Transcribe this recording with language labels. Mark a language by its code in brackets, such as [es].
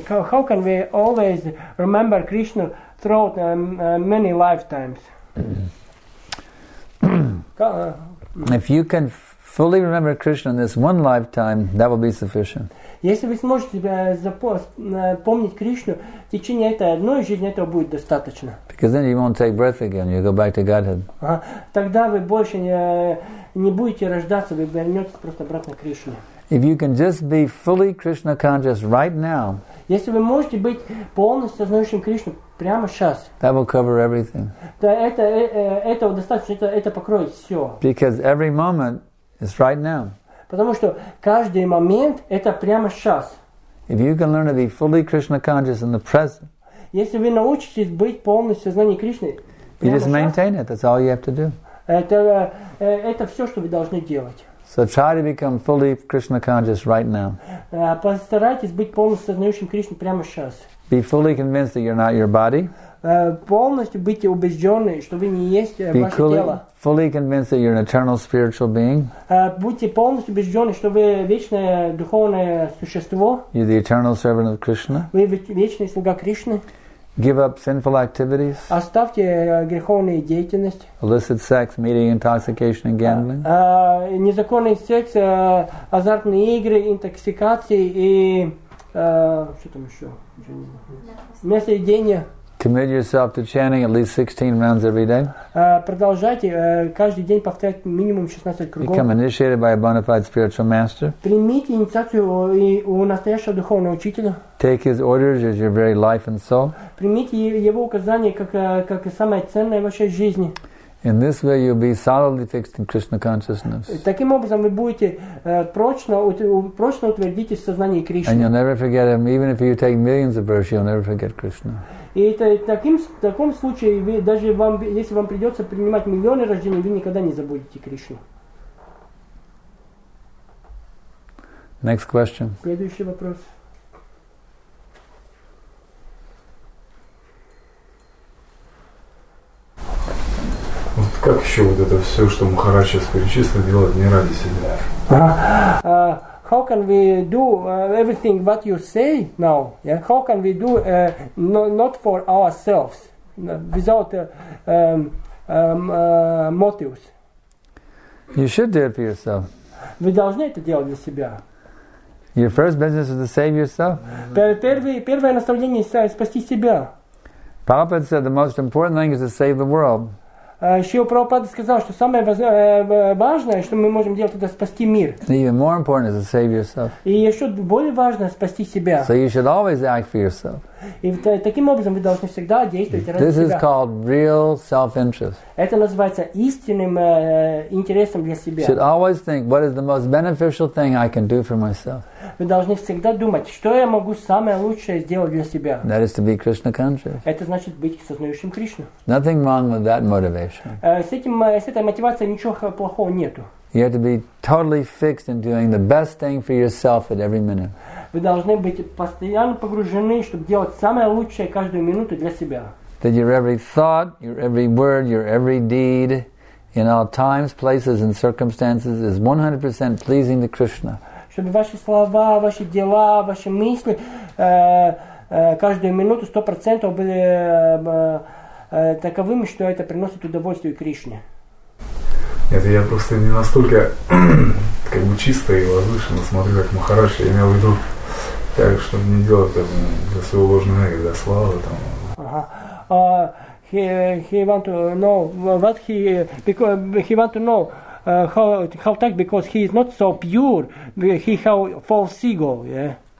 [en] How can we always remember Krishna throughout many lifetimes? If you can fully remember Krishna in this one lifetime, that will be sufficient. [ru] Если вы сможете помнить Кришну в течение этой одной жизни, этого будет достаточно. [en] Because then you won't take breath again, you go back to Godhead. [ru] Тогда вы больше не будете рождаться, вы вернетесь просто обратно к Кришне. [en] If you can just be fully Krishna conscious right now, [ru] если вы можете быть полностью сознающим Кришну прямо сейчас, [en] that will cover everything. [ru] Да, этого достаточно, это покроет все. [en] Because every moment is right now. [ru] Потому что каждый момент – это прямо сейчас. [en] If you can learn to be fully Krishna conscious in the present, [ru] если вы научитесь быть полностью в сознании Кришны [en] You just maintain it. That's all you have to do. [ru] Это все, что вы должны делать. [en] So try to become fully Krishna conscious right now. [ru] Постарайтесь быть полностью сознающим Кришну прямо сейчас. [en] Be fully convinced that you're not your body. [ru] Полностью быть убежденным, что вы не есть ваше тело. [en] Fully convinced that you're an eternal spiritual being. [ru] Будьте полностью убежденным, что вы вечное духовное существо. [en] You're the eternal servant of Krishna. [ru] Вы вечный слуга Кришны. [en] Give up sinful activities. [ru] Оставьте греховные деятельности. [en] Illicit sex, meeting, intoxication, and gambling. [ru] Незаконный секс, азартные игры, интоксикации и что там еще? Местоедение. [en] Commit yourself to chanting at least 16 rounds every day. [ru] Продолжайте каждый день повторять минимум 16 кругов. [en] Become initiated by a bona fide spiritual master. [ru] Примите инициацию у настоящего духовного учителя. [en] Take his orders as your very life and soul. [ru] Примите его указания как самое ценное в вашей жизни. [en] In this way, you'll be solidly fixed in Krishna consciousness. [ru] Таким образом, вы будете прочно утвердитесь в сознании Кришны. [en] And you'll never forget him, even if you take millions of births, you'll never forget Krishna. [ru] И в таком случае, даже вам, если вам придется принимать миллионы рождений, вы никогда не забудете Кришну. [en] Next question. [ru] Следующий вопрос. Вот как еще вот это все, что Махарадж сейчас перечислил, делать не ради себя? [en] How can we do everything what you say now? Yeah? How can we do not for ourselves, without motives? You should do it for yourself. [ru] Вы должны это делать для себя. [en] Your first business is to save yourself. [ru] Первое наставление – спасти себя. [en] Prabhupada said the most important thing is to save the world. [ru] Шрила Прабхупада сказал, что самое важное, что мы можем делать, это спасти мир. [en] Even more important is to save yourself. [ru] И еще более важно спасти себя. [en] So you should always act for yourself. [ru] И таким образом вы должны всегда действовать ради себя. [en] This is called real self-interest. [ru] Это называется истинным интересом для себя. [en] You should always think, what is the most beneficial thing I can do for myself? [ru] Вы должны всегда думать, что я могу самое лучшее сделать для себя. [en] That is to be Krishna conscious. [ru] Это значит быть сознающим Кришну. [en] Nothing wrong with that motivation. [ru] С этой мотивацией ничего плохого нету. [en] You have to be totally fixed in doing the best thing for yourself at every minute. [ru] Вы должны быть постоянно погружены, чтобы делать самое лучшее каждую минуту для себя. [en] That your every thought, your every word, your every deed in all times, places and circumstances is 100% pleasing to Krishna. [ru] Чтобы ваши слова, ваши дела, ваши мысли каждую минуту 100% были таковыми, что это приносит удовольствие Кришне. Это я просто не настолько как бы чисто и возвышенно смотрю, как Махарадж, я имел в виду, так, чтобы не делать там, для своего ложного эго, для славы. Там. [en] Ага. He want to know what he... Because he want to know how tech, because he is not so pure, he have false ego, yeah.